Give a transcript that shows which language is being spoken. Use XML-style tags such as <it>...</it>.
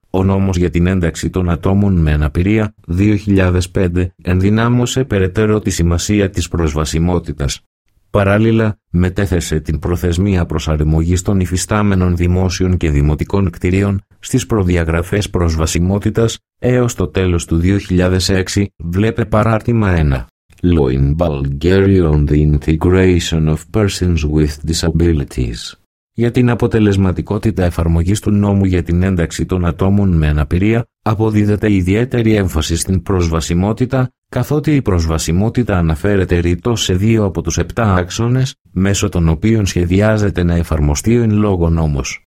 <el>Ο νόμος για την ένταξη των ατόμων με αναπηρία, 2005, ενδυνάμωσε περαιτέρω τη σημασία της προσβασιμότητας. Παράλληλα, μετέθεσε την προθεσμία προσαρμογής των υφιστάμενων δημόσιων και δημοτικών κτηρίων στις προδιαγραφές προσβασιμότητας έως το τέλος του 2006, βλέπε παράρτημα 1.</el> <en>Law in Bulgaria on the integration of persons with disabilities.</en> <el>Για την αποτελεσματικότητα εφαρμογής του νόμου για την ένταξη των ατόμων με αναπηρία, αποδίδεται ιδιαίτερη έμφαση στην προσβασιμότητα, καθότι η προσβασιμότητα αναφέρεται ρητό σε 2 από τους 7 άξονες, μέσω των οποίων σχεδιάζεται να εφαρμοστεί ο εν λόγω νόμος.</el>